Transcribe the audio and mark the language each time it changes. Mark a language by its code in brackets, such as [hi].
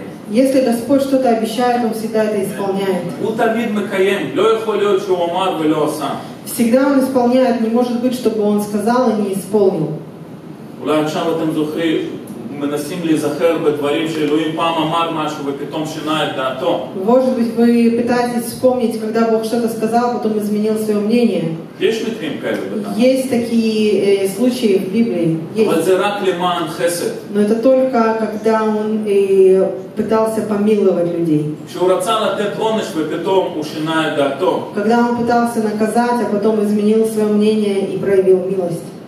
[ru] Если Господь что-то обещает, Он всегда это исполняет. Всегда Он исполняет, не может быть, чтобы Он сказал и не исполнил. [he] אולי עכשיו אתם זוכרים, מנסים להיזכר בדברים שאלוהים פעם אמר משהו ופתאום שינה את דעתו. [ru] Может быть, вы пытаетесь вспомнить, когда Бог что-то сказал, потом изменил свое мнение. [he] יש מקרים כאלה. [ru] Есть такие случаи в Библии. [he] אבל זה רק למען חסד. [ru] Но это только когда он пытался помиловать людей. [he] כשהוא רצה לתת עונש ופתאום הוא שינה את דעתו. [ru] Когда он пытался наказать, а потом изменил свое мнение и проявил милость.